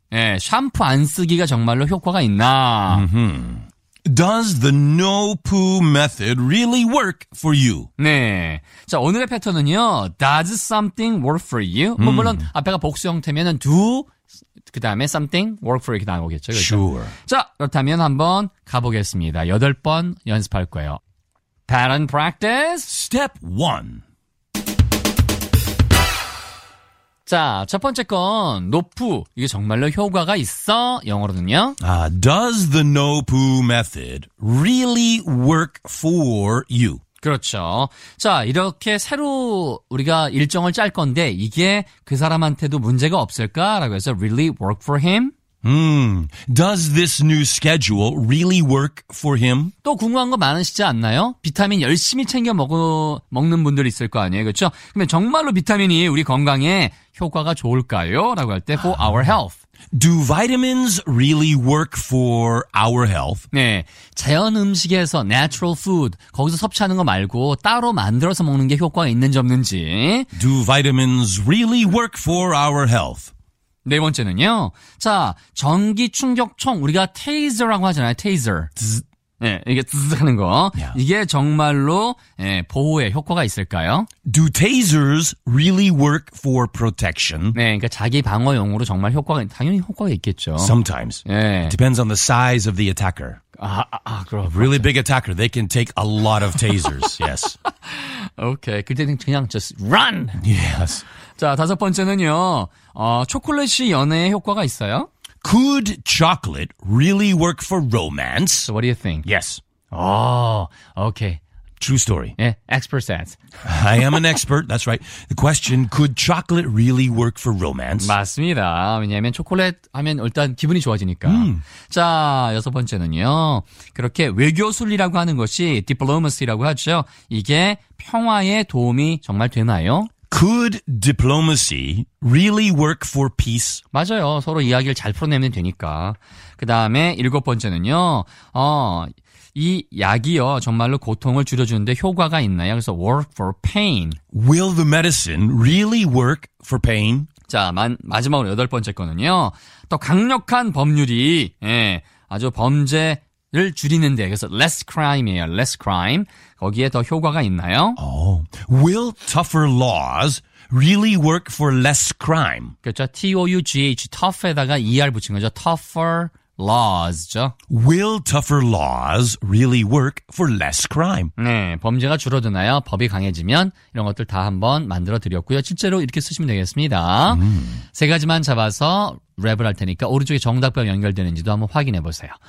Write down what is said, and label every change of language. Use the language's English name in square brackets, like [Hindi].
[Korean] 예, 샴푸 안 쓰기가 정말로 효과가 있나? [English] Does the no poo method really work for you? [Korean] 네. 자, 오늘의 패턴은요. [English] Does something work for you? [Korean] 물론 앞에가 복수 형태면은 do 그다음에 [English] something work for you [Korean] 이렇게 나오겠죠. 그렇죠? [English] Sure. [Korean] 자, 그렇다면 한번 가보겠습니다. 여덟 번 연습할 거예요. [English] Pattern practice. Step 1. [Korean] 자, 첫 번째 건 노푸. 이게 정말로 효과가 있어? 영어로는요? [English] Does the no-poo method really work for you? [Korean] 그렇죠. 자, 이렇게 새로 우리가 일정을 짤 건데 이게 그 사람한테도 문제가 없을까? 라고 해서 [English] really work for him? Does this new schedule really work for him? [Korean] 또 궁금한 거 많으시지 않나요? 비타민 열심히 챙겨 먹는 분들 있을 거 아니에요. 그렇죠? 근데 정말로 비타민이 우리 건강에 효과가 좋을까요? 라고 할 때 [English] for our health. Do vitamins really work for our health? [Korean] 네. 자연 음식에서 [English] natural food [Korean] 거기서 섭취하는 거 말고 따로 만들어서 먹는 게 효과가 있는지 없는지. [English] Do vitamins really work for our health? [Korean] 네 번째는요. 자, 전기 충격총 우리가 테이저라고 하잖아요. 테이저. 예, 이게 쓱 하는 거. [English] Yeah. [Korean] 이게 정말로 예, 보호에 효과가 있을까요? [English] Do tasers really work for protection? [Korean] 네, 그러니까 자기 방어용으로 정말 효과가 당연히 효과가 있겠죠. [English] Sometimes. [Korean] 예. [English] Depends on the size of the attacker. [Korean] 아, 그럼. [English] Really big attacker, they can take a lot of tasers. Yes. Okay. [Korean] 그때는 그냥 [English] just run. Yes. [Korean] 자, 다섯 번째는요. 초콜릿이 연애에 효과가 있어요? [English] Could chocolate really work for romance? So what do you think? Yes. Oh, okay. True story. Yeah, expert says. I am an expert, that's right. The question, could chocolate really work for romance? [Korean] 맞습니다. 왜냐하면 초콜릿 하면 일단 기분이 좋아지니까. 자, 여섯 번째는요. 그렇게 외교술이라고 하는 것이 diplomacy라고 하죠. 이게 평화에 도움이 정말 되나요? [English] Could diplomacy really work for peace? [Korean] 맞아요. 서로 이야기를 잘 풀어내면 되니까. 그 다음에 일곱 번째는요. 이 약이요. 정말로 고통을 줄여주는데 효과가 있나요? 그래서 [English] work for pain. Will the medicine really work for pain? [Korean] 자, 마지막으로 여덟 번째 거는요. 또 강력한 법률이 예, 아주 범죄 를 줄이는데 그래서 [English] less crime [Korean] 이에요. [English] less crime. [Korean] 거기에 더 효과가 있나요? [English] Oh. Will tougher laws really work for less crime? [Korean] 그렇죠. T-O-U-G-H. tough에다가 ER 붙인 거죠. [English] tougher laws죠. Will tougher laws really work for less crime? [Korean] 네. 범죄가 줄어드나요? 법이 강해지면 이런 것들 다 한번 만들어드렸고요. 실제로 이렇게 쓰시면 되겠습니다. 세 가지만 잡아서 랩을 할 테니까 오른쪽에 정답과 연결되는지도 한번 확인해 보세요.